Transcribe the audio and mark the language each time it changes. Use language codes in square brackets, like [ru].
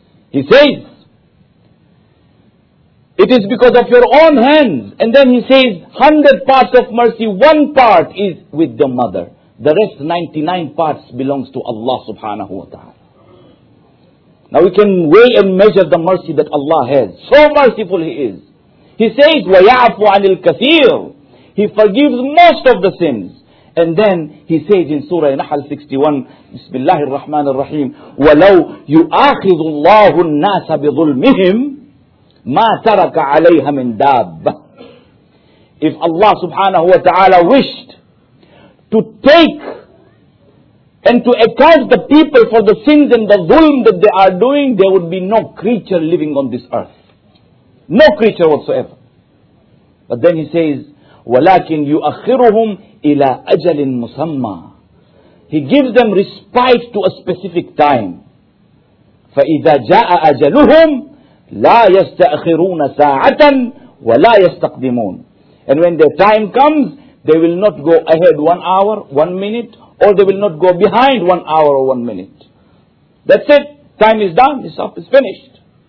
[en] He says, it is because of your own hands. And then he says, 100 parts of mercy, one part is with the mother. The rest, 99 parts, belongs to Allah subhanahu wa ta'ala. Now we can weigh and measure the mercy that Allah has. So merciful He is. He says, [ar] وَيَعْفُ عَنِ الْكَثِيرُ. [en] He forgives most of the sins. And then He says in Surah Nahl 61, Bismillah ar-Rahman ar-Rahim, [ar] وَلَوْ يُؤَاخِذُ اللَّهُ النَّاسَ بِظُلْمِهِمْ مَا تَرَكَ عَلَيْهَا مِنْ دَابَّ. [en] If Allah subhanahu wa ta'ala wished to take and to accuse the people for the sins and the zulm that they are doing, there would be no creature living on this earth. No creature whatsoever. But then he says, [ar] وَلَكِنْ يُؤَخِّرُهُمْ إِلَىٰ أَجَلٍ مُسَمَّى. [en] He gives them respite to a specific time. [ar] فَإِذَا جَاءَ أَجَلُهُمْ لَا يَسْتَأْخِرُونَ سَاعَةً وَلَا يَسْتَقْدِمُونَ. [en] And when their time comes, they will not go ahead 1 hour, 1 minute, or they will not go behind 1 hour or 1 minute. That's it. Time is done. This stuff is finished.